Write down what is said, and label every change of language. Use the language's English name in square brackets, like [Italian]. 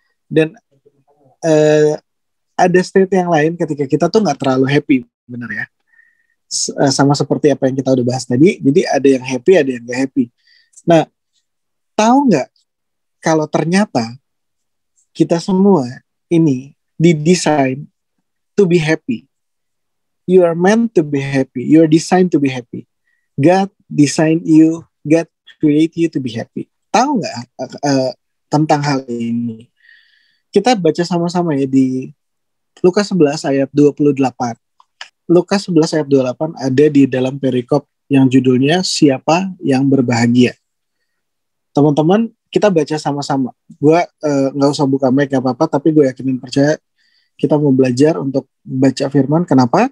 [Indonesian] Dan ada state yang lain ketika kita tuh gak terlalu happy, bener ya, sama seperti apa yang kita udah bahas tadi. Jadi ada yang happy, ada yang gak happy. Nah, tahu gak kalau ternyata kita semua ini didesain [English] to be happy. You are meant to be happy, you are designed to be happy. God designed you, God create you to be happy. [Indonesian] Tahu gak tentang hal ini? Kita baca sama-sama ya di Lukas 11 ayat 28. Lukas 11 ayat 28 ada di dalam perikop yang judulnya Siapa yang Berbahagia. Teman-teman, kita baca sama-sama. Gue gak usah buka mic, gak apa-apa, tapi gue yakin dan percaya kita mau belajar untuk baca firman. Kenapa?